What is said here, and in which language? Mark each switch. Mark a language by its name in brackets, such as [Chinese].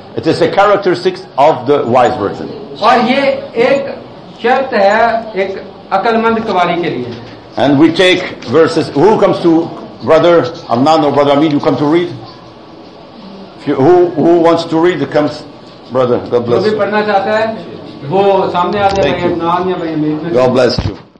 [English] It is a characteristic of the wise person. [Hindi] और ये एक शर्त है एक अकलमंद कवारी के लिए. [English] And we take verses. Who comes to brother Amnan or brother Amin? You come to read. Who wants to read? Comes, brother. God bless. [Hindi] जो भी पढ़ना चाहता है वो सामने आ जाए भाई अमनान या भाई अमीन. [English] God bless you.